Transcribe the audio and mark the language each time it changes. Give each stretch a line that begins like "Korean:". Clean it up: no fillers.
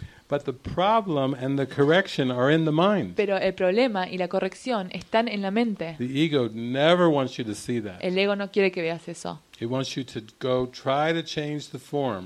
English: But the problem and the correction are in the mind.
Spanish: Pero el problema y la corrección están en la mente.
English: The ego never wants you to see that.
Spanish: El ego no quiere que veas eso.
English: It wants you to go try to change the form.